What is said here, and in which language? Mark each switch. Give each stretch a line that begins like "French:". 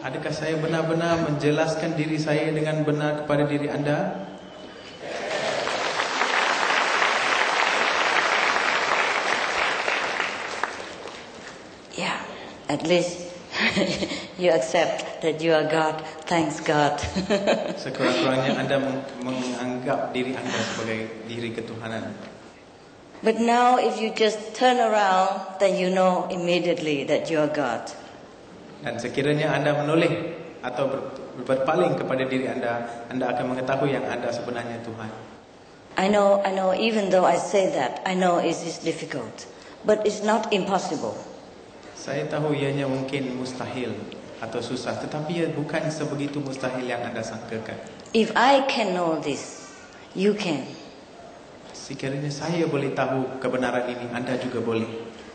Malay: Adakah saya benar-benar menjelaskan diri saya dengan benar kepada diri anda?
English: Yeah, at least you accept that you are God. Thanks God.
Malay: Sekurang-kurangnya anda menganggap diri anda sebagai diri ketuhanan.
English: But now if you just turn around, then you know immediately that you are God.
Malay: Dan sekiranya anda menoleh atau berpaling kepada diri anda, anda akan mengetahui yang anda sebenarnya Tuhan.
English: I know even though I say that, I know it's difficult, but it's not impossible.
Malay: Saya tahu ianya mungkin mustahil atau susah, tetapi ia bukan sebegitu mustahil yang anda sangkakan.
English: If I can know this, you can.
Malay: Sekiranya saya boleh tahu kebenaran ini, anda juga boleh.